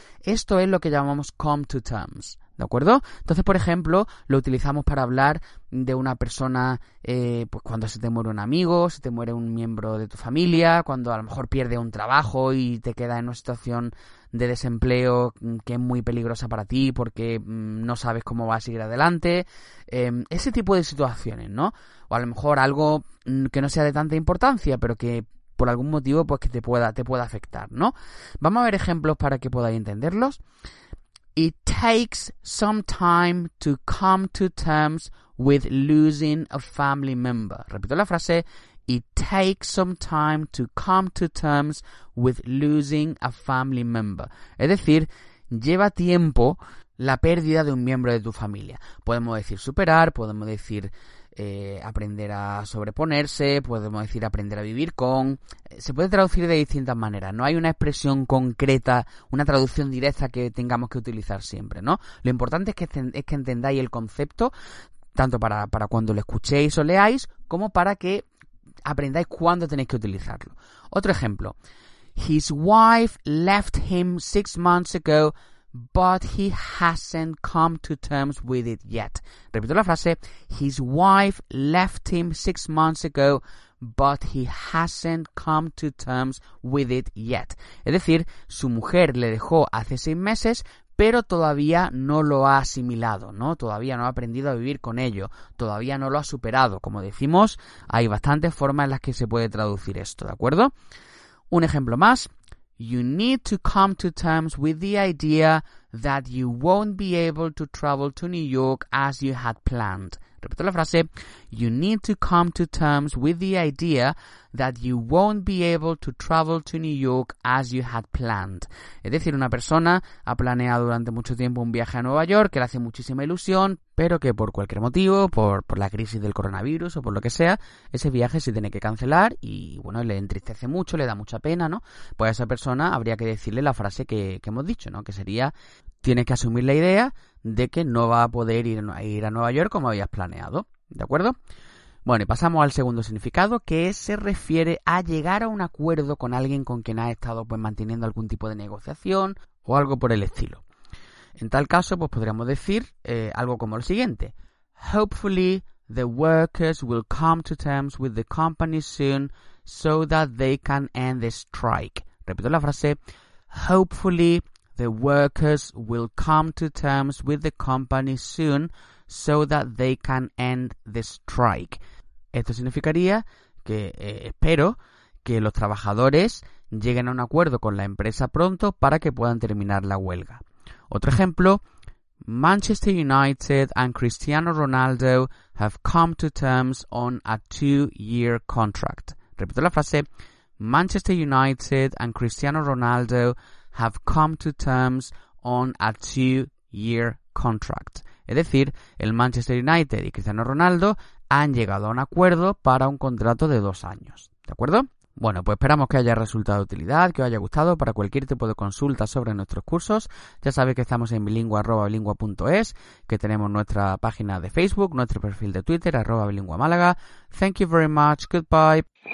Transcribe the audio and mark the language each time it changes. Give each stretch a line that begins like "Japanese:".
Spanish: Esto es lo que llamamos come to terms, ¿de acuerdo? Entonces, por ejemplo, lo utilizamos para hablar de una persona, pues cuando se te muere un amigo, se te muere un miembro de tu familia, cuando a lo mejor pierde un trabajo y te queda en una situación de desempleo que es muy peligrosa para ti porque no sabes cómo va a seguir adelante. Ese tipo de situaciones, ¿no? O a lo mejor algo que no sea de tanta importancia, pero que por algún motivo pues que te pueda afectar, ¿no? Vamos a ver ejemplos para que podáis entenderlos.
English: It takes some time to come to terms with losing a family member.
Spanish: Repito la frase.
English: It takes some time to come to terms with losing a family member.
Spanish: Es decir, lleva tiempo la pérdida de un miembro de tu familia. Podemos decir superar, podemos decir aprender a sobreponerse, podemos decir aprender a vivir con. Se puede traducir de distintas maneras. No hay una expresión concreta, una traducción directa que tengamos que utilizar siempre, ¿no? Lo importante es que entendáis el concepto, tanto para cuando lo escuchéis o leáis, como para que aprendáis cuándo tenéis que utilizarlo. Otro ejemplo.
English: His wife left him 6 months ago, but he hasn't come to terms with it yet.
Spanish: Repito la frase.
English: His wife left him 6 months ago, but he hasn't come to terms with it yet.
Spanish: Es decir, su mujer le dejó hace 6 meses, pero todavía no lo ha asimilado, ¿no? Todavía no ha aprendido a vivir con ello, todavía no lo ha superado. Como decimos, hay bastantes formas en las que se puede traducir esto, ¿de acuerdo? Un ejemplo más.
English: You need to come to terms with the idea that you won't be able to travel to New York as you had planned.
Spanish: Repito la frase.
English: You need to come to terms with the idea that you won't be able to travel to New York as you had planned.
Spanish: Es decir, una persona ha planeado durante mucho tiempo un viaje a Nueva York que le hace muchísima ilusión, pero que por cualquier motivo, por la crisis del coronavirus o por lo que sea, ese viaje se tiene que cancelar y, bueno, le entristece mucho, le da mucha pena, ¿no? Pues a esa persona habría que decirle la frase que hemos dicho, ¿no? Que sería, tienes que asumir la idea de que no va a poder ir a Nueva York como habías planeado, ¿de acuerdo? Bueno, y pasamos al segundo significado, que se refiere a llegar a un acuerdo con alguien con quien has estado pues manteniendo algún tipo de negociación o algo por el estilo. En tal caso, pues podríamos decir algo como lo siguiente.
English: Hopefully, the workers will come to terms with the company soon so that they can end the strike.
Spanish: Repito la frase.
English: Hopefully, the workers will come to terms with the company soon so that they can end the strike.
Spanish: Esto significaría que espero que los trabajadores lleguen a un acuerdo con la empresa pronto para que puedan terminar la huelga. Otro ejemplo,
English: Manchester United and Cristiano Ronaldo have come to terms on a 2-year contract.
Spanish: Repito la frase,
English: Manchester United and Cristiano Ronaldo have come to terms on a 2-year contract.
Spanish: Es decir, el Manchester United y Cristiano Ronaldo han llegado a un acuerdo para un contrato de 2 años. ¿De acuerdo? Bueno, pues esperamos que haya resultado de utilidad, que os haya gustado. Para cualquier tipo de consulta sobre nuestros cursos, ya sabéis que estamos en bilingua@bilingua.es, que tenemos nuestra página de Facebook, nuestro perfil de Twitter, @bilinguamálaga.
English: Thank you very much. Goodbye.